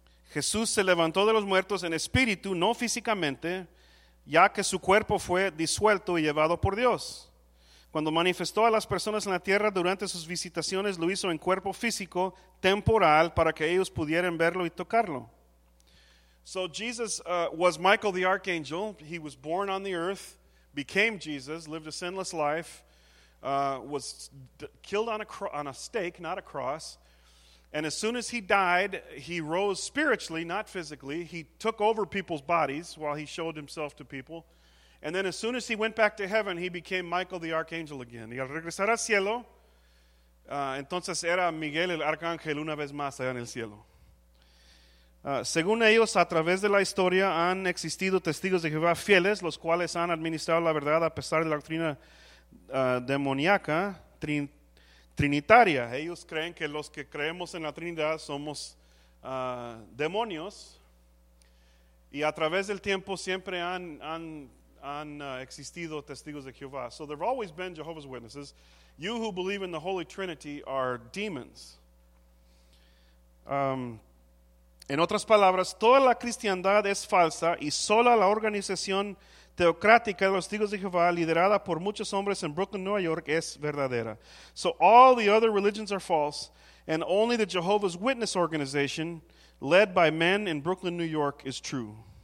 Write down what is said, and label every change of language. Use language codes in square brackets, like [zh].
[es] Jesús se levantó de los muertos en espíritu, no físicamente, ya que su cuerpo fue disuelto y llevado por Dios. Cuando manifestó a las personas en la tierra durante sus visitaciones, lo hizo en cuerpo físico, temporal, para que ellos pudieran verlo y tocarlo. [en] So Jesus was Michael the Archangel. He was born on the earth, became Jesus, lived a sinless life, was killed on a stake, not a cross. And as soon as he died, he rose spiritually, not physically. He took over people's bodies while he showed himself to people. And then as soon as he went back to heaven, he became Michael the Archangel again. [es] Y al regresar al cielo, entonces era Miguel el Arcángel una vez más allá en el cielo. Según ellos, a través de la historia han existido testigos de Jehová fieles, los cuales han administrado la verdad a pesar de la doctrina demoníaca, Trinitaria. Ellos creen que los que creemos en la Trinidad somos demonios, y a través del tiempo siempre han existido testigos de Jehová. [en] So there have always been Jehovah's Witnesses. You who believe in the Holy Trinity are demons. [es] En otras palabras, toda la cristiandad es falsa, y sola la organización teocrática de los testigos de Jehová, liderada por muchos hombres en Brooklyn, Nueva York, es verdadera. [en] So all the other religions are false, and only the Jehovah's Witness organization, led by men in Brooklyn, New York, is true.